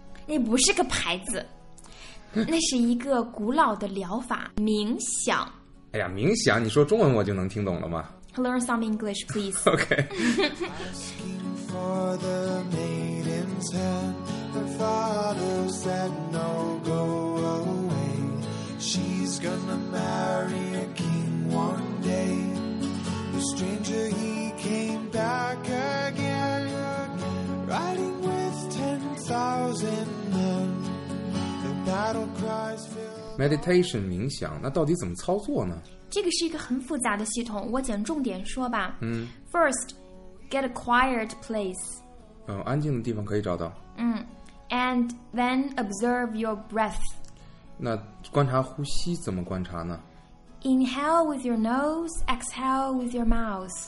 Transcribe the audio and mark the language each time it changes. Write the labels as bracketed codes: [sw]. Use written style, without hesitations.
[zh] 那不是个牌子，那是一个古老的疗法，冥想。哎呀，冥想，你说中文我就能听懂了吗 [en] ？Learn some English, please. OK. Asking for the maiden's hand, the father said no, go away. She's gonna marry a king one day. The stranger he came back again, riding with 10,000 men. The battle cries filled. Meditation, [zh] 冥想，那到底怎么操作呢？这个是一个很复杂的系统，我讲重点说吧。嗯。 [en] First, get a quiet place. [zh] 安静的地方可以找到。 [en] 嗯。And then observe your breath. [zh] 那观察呼吸怎么观察呢？ [en] Inhale with your nose, exhale with your mouth.